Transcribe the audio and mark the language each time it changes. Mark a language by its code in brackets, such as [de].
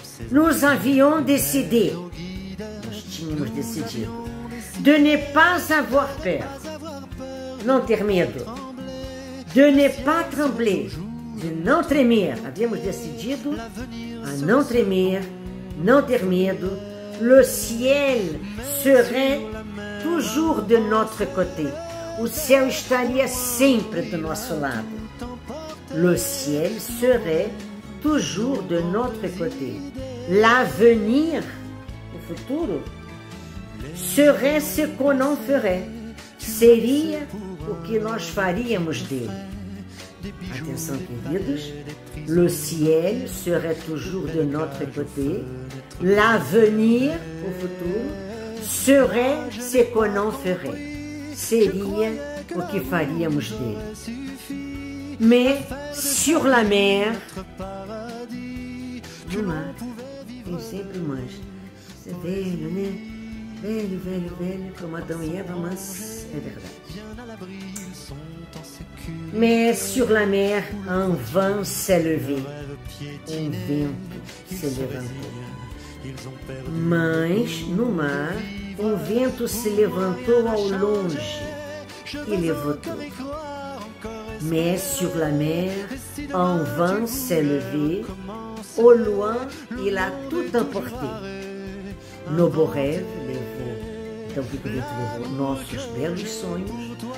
[fr] Nous avions décidé, [pt] nós tínhamos decidido, [fr] de ne pas avoir peur, [pt] não ter medo, [fr] de ne pas trembler, [pt] de não tremer. Havíamos decidido a não tremer, não ter medo. [fr] Le ciel serait toujours de notre côté. [pt] O céu estaria sempre do nosso lado. [fr] Le ciel serait toujours de notre côté. L'avenir, [pt] o futuro, [fr] serait ce qu'on en ferait. [pt] Seria o que nós faríamos dele. Atenção, queridos. [fr] Le ciel serait toujours de notre côté. L'avenir, [pt] o futuro, [fr] serait ce qu'on en ferait. [pt] Seria o que faríamos dele. [fr] Mais sur la mer, [pt] no mar, tem sempre mais. É velho, né? Velho, velho, velho, como Adão e Eva, mas é verdade. [fr] Mais sur la mer, un vent s'est levé. [pt] Um vento se levantou. Mas no mar, um vento se levantou ao longe e levou tudo. [fr] Mais sur la mer, un vent s'est levé. Au loin, il a tout emporté. Nos beaux rêves levou. [pt] Então, o vento levou nossos belos sonhos.